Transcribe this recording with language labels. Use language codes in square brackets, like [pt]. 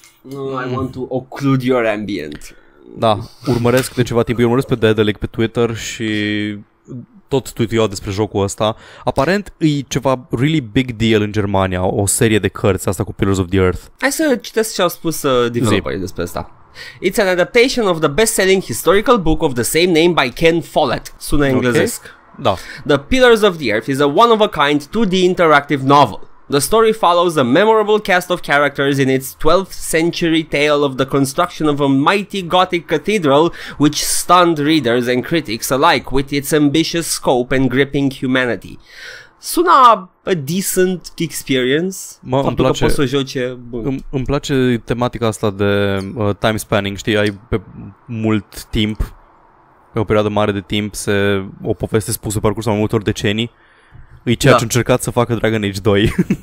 [en] I want to occlude your ambient. [ro] Da, urmăresc de ceva timp, urmăresc pe Daedalic pe Twitter și tot tweet-ul despre jocul ăsta. Aparent e ceva [en] really big deal [ro] în Germania, o serie de cărți, asta cu Pillars of the Earth. Hai să citesc ce au spus developerii despre asta. [en] It's an adaptation of the best-selling historical book of the same name by Ken Follett. [ro] Sună englezesc. Okay. Da. [en] The Pillars of the Earth is a one-of-a-kind 2D interactive novel. The story follows a memorable cast of characters in its 12th century tale of the construction of a mighty Gothic cathedral, which stunned readers and critics alike with its ambitious scope and gripping humanity. [ro] Sună a decent experience. Mă, îmi place, că poți să joace... îmi place tematica asta de time spanning, știi, ai pe mult timp, pe o perioadă mare de timp, se o poveste spusă pe parcursul mai multor decenii. E ceea ce a încercat să facă Dragon Age 2.